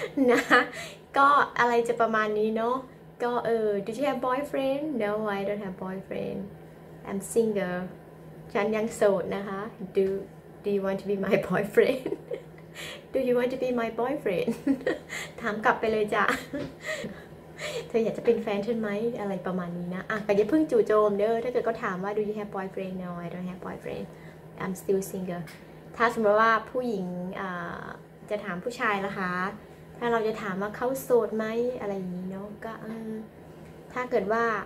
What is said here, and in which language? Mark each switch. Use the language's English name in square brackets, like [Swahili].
[Thai] นะก็อะไรจะประมาณนี้เนาะก็ [English] Do you have boyfriend? No, I don't have boyfriend. I'm single. [Thai] ฉันยังโสดนะคะ [English] Do you want to be my boyfriend? Do you want to be my boyfriend? [Thai] ถามกลับไปเลยจ้ะเธออยากจะเป็นแฟนฉันไหมอะไรประมาณนี้นะอ่ะก็อย่าเพิ่งจู่โจมเด้อถ้าเกิดก็ถามว่า [English] Do you have boyfriend? No, I don't have boyfriendI'm still single [Thai] ถ้าสมมติว่าผู้หญิงจะถามผู้ชายล่ะคะถ้าเราจะถามว่าเขาโสดไหมอะไรอย่างนี้เนาะก็ถ้าเกิดว่า